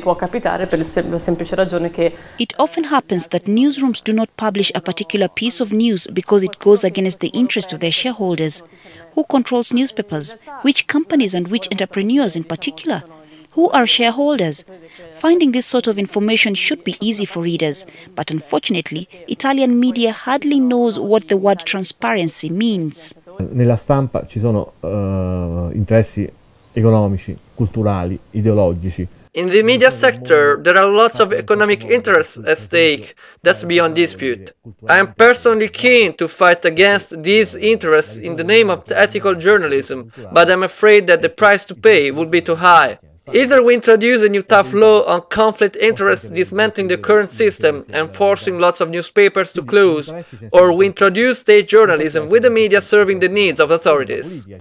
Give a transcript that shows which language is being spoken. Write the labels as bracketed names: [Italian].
[English] It often happens that newsrooms do not publish a particular piece of news because it goes against the interest of their shareholders. Who controls newspapers? Which companies and which entrepreneurs in particular? Who are shareholders? Finding this sort of information should be easy for readers, but unfortunately, Italian media hardly knows what the word transparency means. [Italian] Nella stampa ci sono interessi economici, culturali, ideologici. [English] In the media sector, there are lots of economic interests at stake. That's beyond dispute. I am personally keen to fight against these interests in the name of ethical journalism, but I'm afraid that the price to pay would be too high. Either we introduce a new tough law on conflict interests dismantling the current system and forcing lots of newspapers to close, or we introduce state journalism with the media serving the needs of authorities.